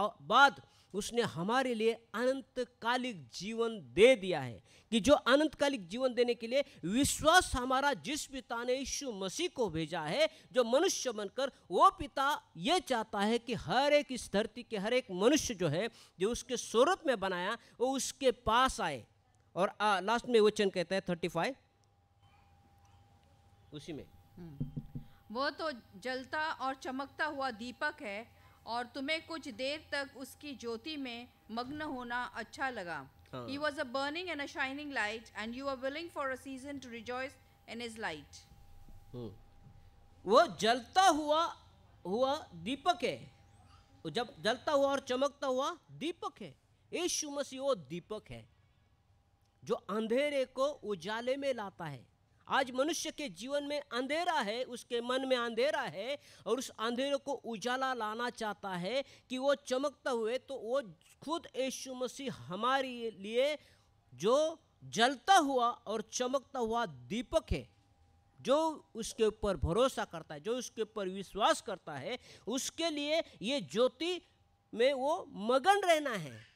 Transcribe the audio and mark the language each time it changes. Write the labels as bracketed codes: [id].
[hi] बाद उसने हमारे लिए अनंतकालिक जीवन दे दिया है, कि जो अनंतकालिक जीवन देने के लिए विश्वास हमारा जिस पिता ने यीशु मसीह को भेजा है, जो मनुष्य बनकर, वो पिता ये चाहता है कि हर एक इस धरती के हर एक मनुष्य जो है, जो उसके स्वरूप में बनाया, वो उसके पास आए। और लास्ट में वचन कहते हैं 35 उसी में, वो तो जलता और चमकता हुआ दीपक है, और तुम्हें कुछ देर तक उसकी ज्योति में मग्न होना अच्छा लगा। [en] He was a burning and a shining light, and you are willing for a season to rejoice in his light. [hi] वो जलता हुआ हुआ दीपक है, जब जलता हुआ और चमकता हुआ दीपक है, यीशु मसीह वो दीपक है जो अंधेरे को उजाले में लाता है। आज मनुष्य के जीवन में अंधेरा है, उसके मन में अंधेरा है, और उस अंधेरे को उजाला लाना चाहता है कि वो चमकता हुए, तो वो खुद यीशु मसीह हमारे लिए जो जलता हुआ और चमकता हुआ दीपक है, जो उसके ऊपर भरोसा करता है, जो उसके ऊपर विश्वास करता है, उसके लिए ये ज्योति में वो मगन रहना है।